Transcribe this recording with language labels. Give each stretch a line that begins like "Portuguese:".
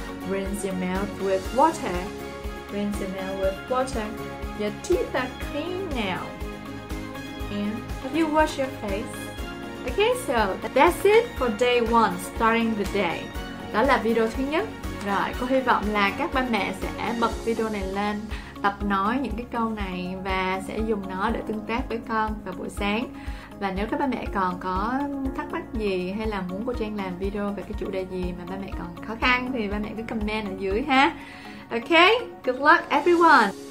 English: Rinse your mouth with water. Rinse your mouth with water. Your teeth are clean now. And have you washed your face? Okay, so that's it for day one, starting the day.
Vietnamese: Đó là video thứ nhất. Rồi, cô hy vọng là các ba mẹ sẽ bật video này lên, tập nói những cái câu này và sẽ dùng nó để tương tác với con vào buổi sáng. Và nếu các ba mẹ còn có thắc mắc gì hay là muốn cô Trang làm video về cái chủ đề gì mà ba mẹ còn khó khăn thì ba mẹ cứ comment ở dưới ha.
English: Okay, good luck everyone.